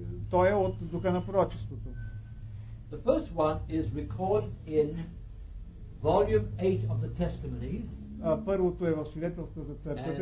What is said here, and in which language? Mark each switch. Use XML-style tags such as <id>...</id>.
<bg>То е от духа на пророчеството.</bg> <en>The first one is recorded in volume 8 of the testimonies.</en> <bg>Първото е в свидетелство за църквата.</bg>